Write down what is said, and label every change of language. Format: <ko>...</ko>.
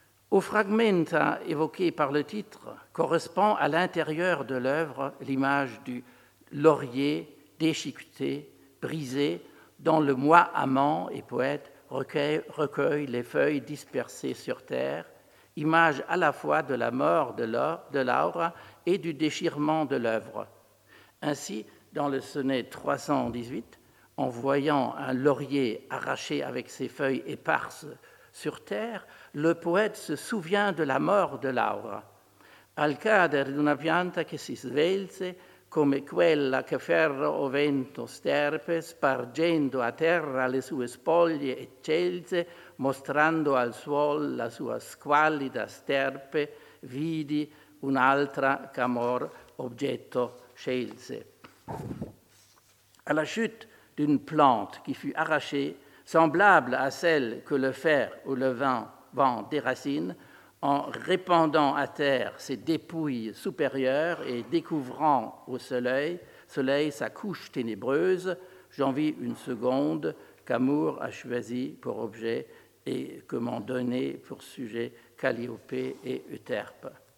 <fr>Au fragmenta évoqué par le titre correspond à l'intérieur de l'œuvre l'image du laurier déchiqueté, brisé, dont le moi amant et poète recueille les feuilles dispersées sur terre, image à la fois de la mort de Laura et du déchirement de l'œuvre. Ainsi, dans le sonnet 318, en voyant un laurier arraché avec ses feuilles éparses sur terre, le poète se souvient de la mort de Laura.</fr> <it>al cadere di una pianta che si svelse come quella che ferro o vento sterpe, spargendo a terra le sue spoglie e celze, mostrando al suol la sua squallida sterpe, vidi un'altra ch'amor oggetto scelse.</it> <fr>À la chute d'une plante qui fut arrachée, semblable à celle que le fer ou le vent déracine, en répandant à terre ses dépouilles supérieures et découvrant au soleil sa couche ténébreuse, j'en vis une seconde qu'amour a choisi pour objet et que m'en donnait pour sujet Calliope et Euterpe.</fr>